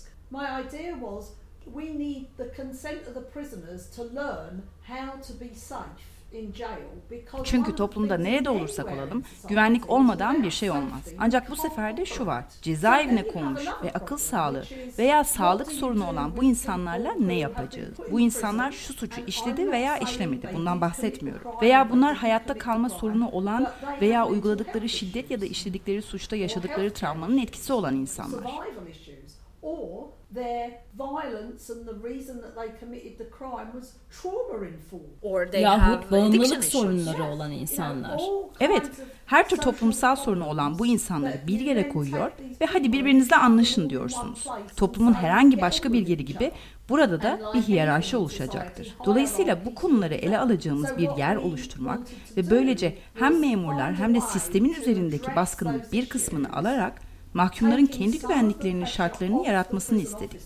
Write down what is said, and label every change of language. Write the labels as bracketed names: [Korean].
[English] My idea was we need the consent of the prisoners to learn how to be safe in jail. [Turkish] Çünkü toplumda nerede olursak olalım, güvenlik olmadan bir şey olmaz. Ancak bu sefer de şu var, cezaevine konmuş ve akıl sağlığı veya sağlık sorunu olan bu insanlarla ne yapacağız? Bu insanlar şu suçu işledi veya işlemedi, bundan bahsetmiyorum. Veya bunlar hayatta kalma sorunu olan veya uyguladıkları şiddet ya da işledikleri suçta yaşadıkları travmanın etkisi olan insanlar. [English] Or their violence and the reason that they committed the crime was trauma informed. Or they [Turkish] yahut have bağımlılık sorunları olan insanlar. Evet, her tür toplumsal sorunu olan bu insanları bir yere koyuyor ve hadi birbirinizle anlaşın diyorsunuz. Toplumun herhangi başka bir yeri gibi burada da bir hiyerarşi oluşacaktır. Dolayısıyla bu konuları ele alacağımız bir yer oluşturmak ve böylece hem memurlar hem de sistemin üzerindeki baskının bir kısmını alarak mahkumların kendi güvenliklerinin şartlarını yaratmasını istedik.